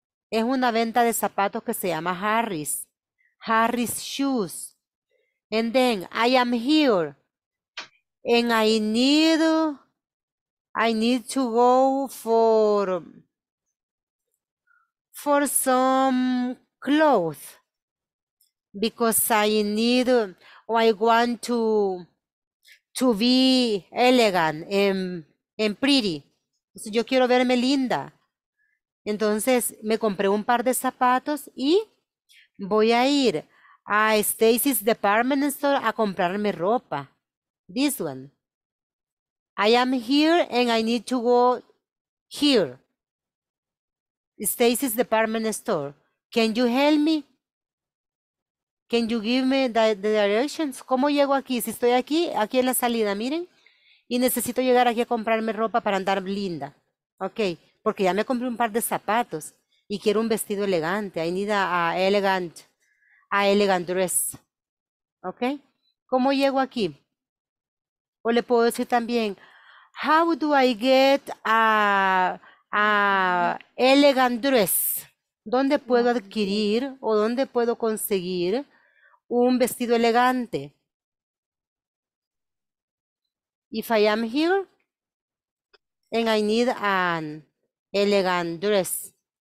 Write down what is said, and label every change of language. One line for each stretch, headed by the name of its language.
Spanish: Es una venta de zapatos que se llama Harris.
English: Harris Shoes. And then, I am here. And I need to go for some clothes. Because I want to be elegant and pretty.
Spanish: So yo quiero verme linda. Entonces, me compré un par de zapatos y voy a ir a Stacy's Department Store a comprarme ropa.
English: This one. I am here and I need to go here. Stacy's Department Store. Can you help me? Can you give me the directions?
Spanish: ¿Cómo llego aquí? Si estoy aquí, aquí en la salida, miren. Y necesito llegar aquí a comprarme ropa para andar linda. Ok. Porque ya me compré un par de zapatos y quiero un vestido elegante.
English: I need a elegant dress. ¿Ok?
Spanish: ¿Cómo llego aquí? O le puedo decir también,
English: how do I get a elegant dress?
Spanish: ¿Dónde puedo adquirir o dónde puedo conseguir un vestido elegante?
English: If I am here and I need an elegant dress.